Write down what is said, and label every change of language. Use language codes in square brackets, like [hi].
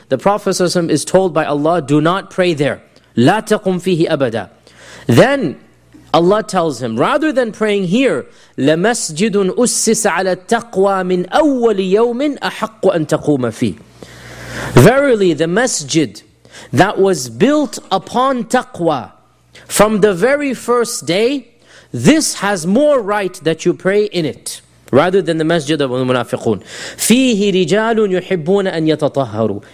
[en] The Prophet ﷺ is told by Allah, do not pray there. [ar] لا تقم فيه أبدا. [en] Then Allah tells him, rather than praying here, [ar] لَمَسْجِدٌ أُسِّسَ عَلَى التَّقْوَى مِنْ أَوَّلِ يَوْمٍ أَحَقُّ أَن تَقُومَ فِيهِ. [en] Verily, the masjid that was built upon taqwa from the very first day, this has more right that you pray in it, rather than the masjid of the munafiqun. [ar] فِيهِ رِجَالٌ يُحِبُّونَ أَن يَتَطَهَّرُوا.